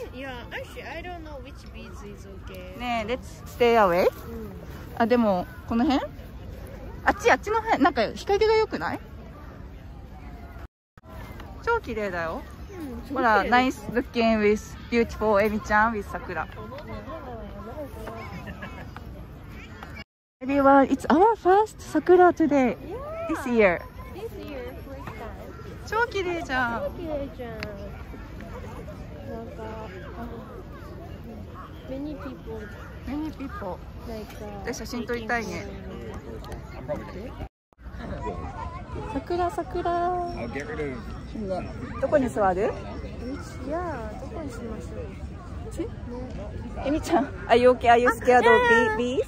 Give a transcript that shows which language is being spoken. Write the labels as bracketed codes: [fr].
[en] Yeah, actually, I don't know which beads is okay. [ja] ね、 [en] let's stay away. [ja] あ、でも、この辺？あっち、あっちの辺、なんか日陰が良くない？超綺麗だよ。ほら、 [en] nice looking with beautiful エミちゃん with Sakura. Everyone, it's our first Sakura today, this year. [ja] 超綺麗じゃん。 [en] なんか、many people。 many people。 [ja] で写真撮りたいね。桜桜。どこに座る？いや、どこにしましょう。 [en] えみちゃん、Are you okay? Are you scared of bees?